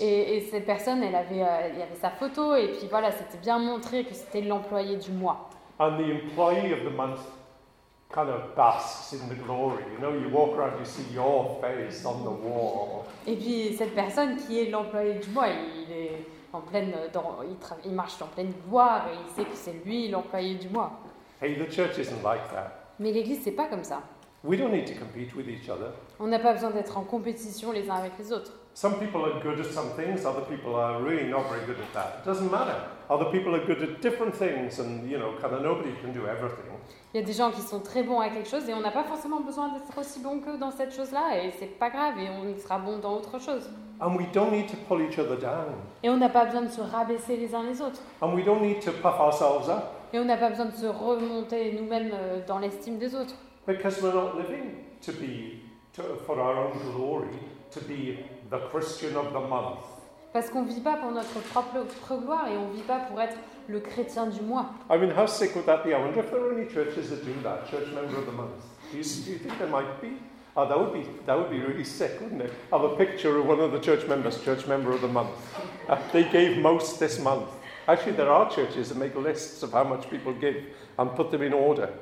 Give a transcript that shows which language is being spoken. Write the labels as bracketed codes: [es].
[fr] Et cette personne, il avait sa photo, et puis voilà, c'était bien montré que c'était l'employé du mois. [en] And the employee of the month. Kind of basks in the glory, you know. You walk around, you see your face on the wall. [fr] Et puis cette personne qui est l'employé du mois, il est en pleine, il marche en pleine gloire et il sait que c'est lui l'employé du mois. [en] Hey, the church isn't like that. [fr] Mais l'Église, c'est pas comme ça. [en] We don't need to compete with each other. [fr] On n'a pas besoin d'être en compétition les uns avec les autres. [en] Some people are good at some things. Other people are really not very good at that. It doesn't matter. Other people are good at different things, and you know, kind of nobody can do everything. [fr] Il y a des gens qui sont très bons à quelque chose et on n'a pas forcément besoin d'être aussi bon que dans cette chose-là et c'est pas grave et on sera bon dans autre chose. [en] And we don't need to pull each other down. [fr] Et on n'a pas besoin de se rabaisser les uns les autres. [en] And we don't need to puff ourselves up. [fr] Et on n'a pas besoin de se remonter nous-mêmes dans l'estime des autres. [en] Because we're not living to be for our own glory, to be the Christian of the month. [fr] Parce qu'on vit pas pour notre propre gloire et on vit pas pour être le chrétien du mois. [en] I mean, how sick would that be? I wonder if there are any churches that do that, church member of the month. Do you think there might be? Oh, that would be really sick, wouldn't it? Have a picture of one of the church member of the month. They gave most this month. Actually, there are churches that make lists of how much people give and put them in order.